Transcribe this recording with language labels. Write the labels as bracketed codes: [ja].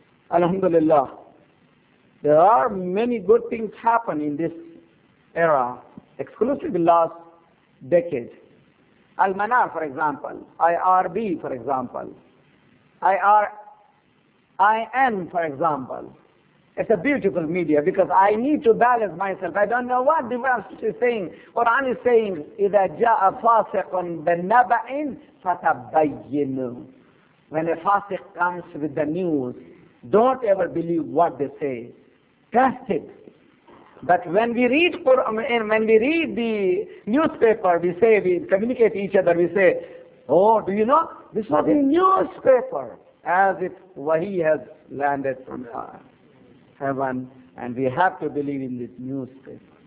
[en] Alhamdulillah, there are many good things happen in this era, exclusively last decade. Almana, for example, IRB, for example, IRIN, for example. It's a beautiful media because I need to balance myself. I don't know what the verse is saying. Quran is saying, [ar] إِذَا جَاءَ فَاسِقٌ بِالنَّبَئٍ فَتَبَيِّنُ. [en] When a fasiq comes with the news, don't ever believe what they say. Test it. But when we read Quran, and when we read the newspaper, we say, we communicate each other, we say, oh, do you know? This was in newspaper, as if wahi has landed from heaven, and we have to believe in this newspaper.